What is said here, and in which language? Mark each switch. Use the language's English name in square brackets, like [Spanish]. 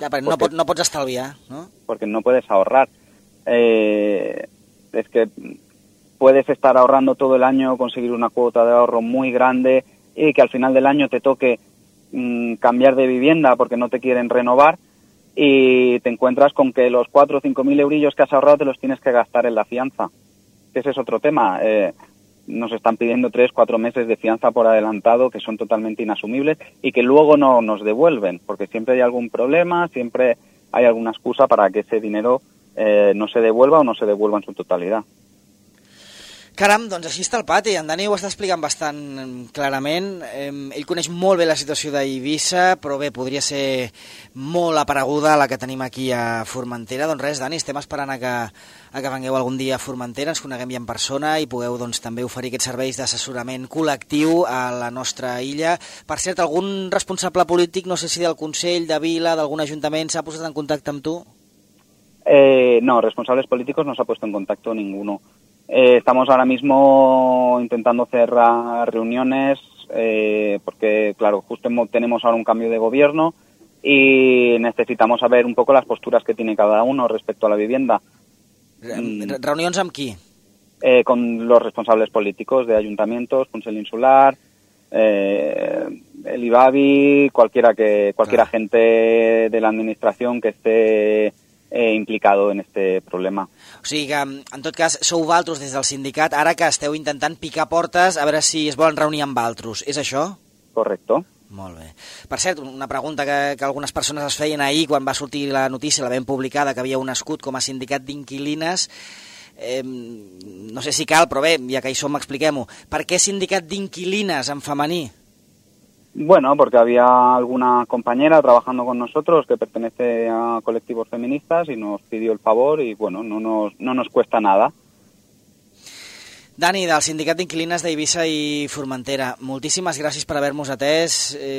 [Catalan] Ja, perquè no pots estalviar, no? [Spanish] Perquè no puedes ahorrar. [Catalan] És que... [Spanish] Puedes estar ahorrando todo el año, conseguir una cuota de ahorro muy grande y que al final del año te toque cambiar de vivienda porque no te quieren renovar y te encuentras con que los 4 o 5 mil eurillos que has ahorrado te los tienes que gastar en la fianza. Ese es otro tema. Nos están pidiendo 3, 4 meses de fianza por adelantado que son totalmente inasumibles y que luego no nos devuelven porque siempre hay algún problema, siempre hay alguna excusa para que ese dinero no se devuelva o no se devuelva en su totalidad. [Catalan] Caram, doncs així està el pati. En Dani ho està explicant bastant clarament. Ell coneix molt bé la situació d'Eivissa, però bé, podria ser molt apareguda la que tenim aquí a Formentera. Doncs res, Dani, estem esperant a que vengueu algun dia a Formentera, ens coneguem ja en persona i pugueu doncs, també oferir aquests serveis d'assessorament col·lectiu a la nostra illa. Per cert, algun responsable polític, no sé si del Consell, de Vila, d'algun ajuntament, s'ha posat en contacte amb tu? [Spanish] No, responsables políticos no se ha puesto en contacto ninguno. Estamos ahora mismo intentando cerrar reuniones porque, claro, justo tenemos ahora un cambio de gobierno y necesitamos saber un poco las posturas que tiene cada uno respecto a la vivienda. [Catalan] ¿Reuniones amb qui? [Spanish] Con los responsables políticos de ayuntamientos, Consell Insular, el IBABI, cualquier agente de la administración que esté... implicado en este problema. [Catalan] O sigui que, en tot cas, sou valtros des del sindicat, ara que esteu intentant picar portes a veure si es volen reunir amb valtros. És això? [Spanish] Correcto. [Catalan] Molt bé. Per cert, una pregunta que algunes persones es feien ahir quan va sortir la notícia, la vam publicada, que havíeu nascut com a sindicat d'inquilines. No sé si cal, però bé, ja que hi som, expliquem-ho. Per què sindicat d'inquilines en femení? [Spanish] Bueno, porque había alguna compañera trabajando con nosotros que pertenece a colectivos feministas y nos pidió el favor y bueno, no nos cuesta nada. [Catalan] Dani, del Sindicat d'Inquilines d'Eivissa i Formentera, moltíssimes gràcies per haver-nos atès.